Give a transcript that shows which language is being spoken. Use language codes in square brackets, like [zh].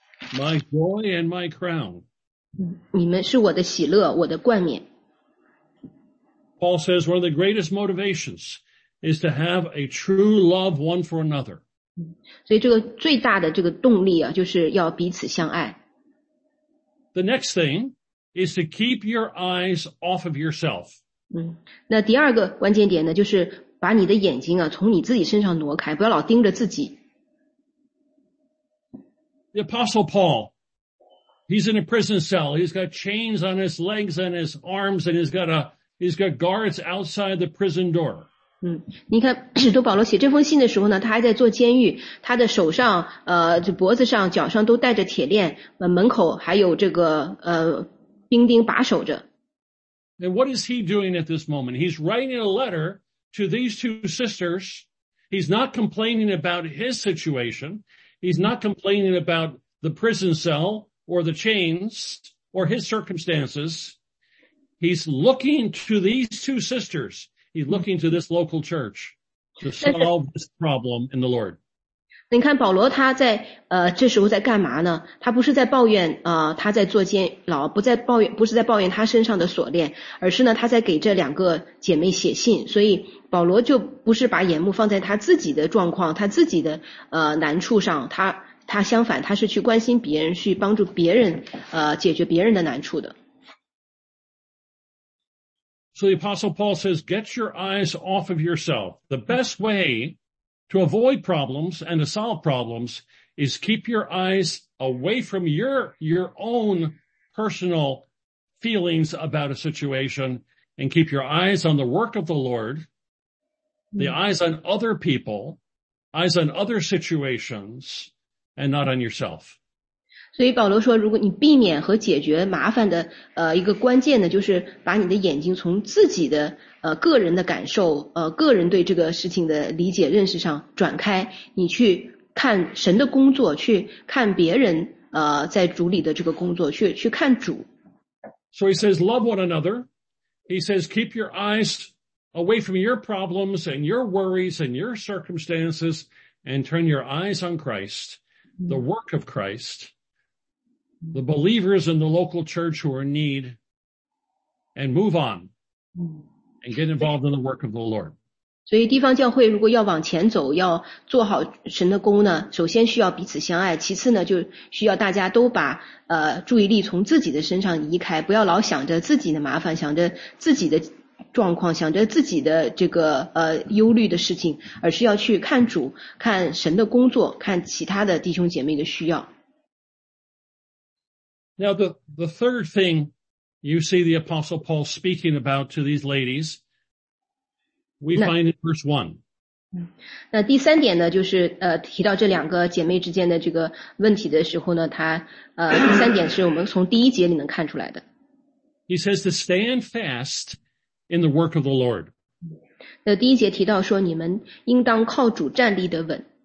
[en] My joy and my crown. [zh] 你们是我的喜乐，我的冠冕。 [en] Paul says one of the greatest motivations is to have a true love one for another. [zh] 所以这个最大的这个动力啊，就是要彼此相爱。 [en] The next thing is to keep your eyes off of yourself. [zh] 那第二个关键点呢，就是把你的眼睛啊，从你自己身上挪开，不要老盯着自己。 [en] The Apostle Paul He's in a prison cell. He's got chains on his legs and his arms, and he's got guards outside the prison door. [zh] 嗯，你看使徒保罗写这封信的时候呢，他还在坐监狱，他的手上、脖子上、脚上都带着铁链，门口还有这个兵丁把守着。 [en] And what is he doing at this moment? He's writing a letter to these two sisters. He's not complaining about his situation. He's not complaining about the prison cell or the chains or his circumstances. He's looking to these two sisters. He's looking to this local church to solve this problem in the Lord. [zh] 你看保罗他在这时候在干嘛呢？他不是在抱怨他在坐监牢，不在抱怨，不是在抱怨他身上的锁链，而是呢他在给这两个姐妹写信。所以保罗就不是把眼目放在他自己的状况，他自己的难处上，他相反，他是去关心别人，去帮助别人解决别人的难处的。 [en] So the Apostle Paul says, get your eyes off of yourself. The best way to avoid problems and to solve problems is keep your eyes away from your own personal feelings about a situation and keep your eyes on the work of the Lord, the eyes on other people, eyes on other situations, and not on yourself. [zh] 所以保罗说，如果你避免和解决麻烦的一个关键呢，就是把你的眼睛从自己的个人的感受个人对这个事情的理解认识上转开，你去看神的工作，去看别人在主里的这个工作，去看主。 [en] So he says, love one another. He says, keep your eyes away from your problems and your worries and your circumstances and turn your eyes on Christ, the work of Christ. The believers in the local church who are in need and move on and get involved in the work of the Lord. [zh] 所以地方教会如果要往前走，要做好神的工呢，首先需要彼此相爱，其次呢就需要大家都把注意力从自己的身上移开，不要老想着自己的麻烦，想着自己的状况，想着自己的这个忧虑的事情，而是要去看主，看神的工作，看其他的弟兄姐妹的需要。 [en] Now, the third thing you see the Apostle Paul speaking about to these ladies, we find in verse 1. [zh] 那第三点呢，就是提到这两个姐妹之间的这个问题的时候呢，他第三点是我们从第一节里能看出来的。 [en] He says to stand fast in the work of the Lord. [zh] 那第一节提到说你们应当靠主站立得稳。